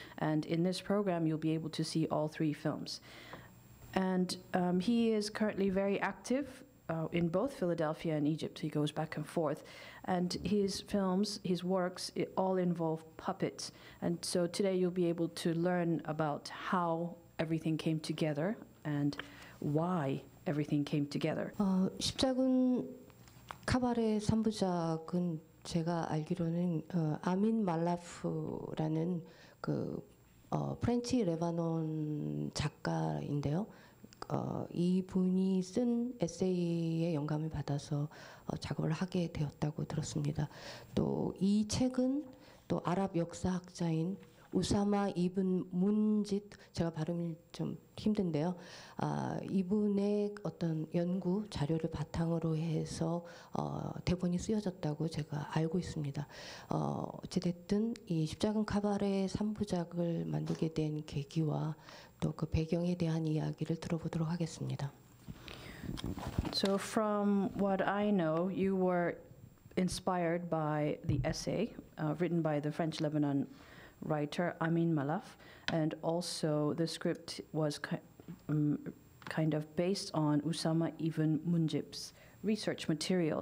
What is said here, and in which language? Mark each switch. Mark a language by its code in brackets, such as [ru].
[en] And in this program, you'll be able to see all three films. And he is currently very active in both Philadelphia and Egypt. He goes back and forth. And his films, his works, it all involve puppets. And so today you'll be able to learn about how everything came together and why everything came together. [ko] 십자군 카바레 3부작은 제가 알기로는 아민 말라프라는 그 프렌치 레바논 작가인데요. 이분이 쓴 에세이에 영감을 받아서 작업을 하게 되었다고 들었습니다. 또 이 책은 또 아랍 역사학자인 우사마 이븐 문짓, 제가 발음이 좀 힘든데요. 이분의 어떤 연구 자료를 바탕으로 해서 대본이 쓰여졌다고 제가 알고 있습니다. 어찌됐든 이 십자군 카바레 3부작을 만들게 된 계기와 또 그 배경에 대한 이야기를 들어보도록 하겠습니다. [en] So from what I know, you were inspired by the essay written by the French-Lebanon writer Amin Malaf, and also the script was kind of based on Usama Ibn Munjib's research material.